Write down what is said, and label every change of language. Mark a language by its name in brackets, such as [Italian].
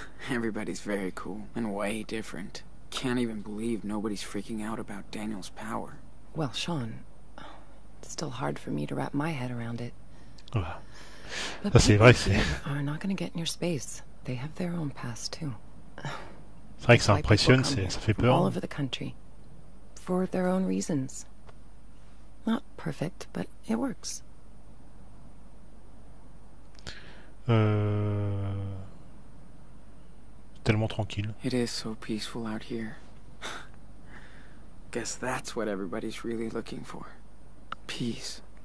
[English] Everybody's very cool and way different. Can't even believe nobody's freaking out about Daniel's power. Well, Sean, it's still hard for me to wrap my head around it. [French] Ça, c'est vrai, c'est... [English] are not going to get in your space. They have their own past too. [French] C'est vrai que ça impressionne, ça fait peur. [English] All over the country, for their own reasons. Not perfect, but it works. [French] T tellement tranquille. [English] It is so peaceful out here. Guess that's what everybody's really looking for. Peace.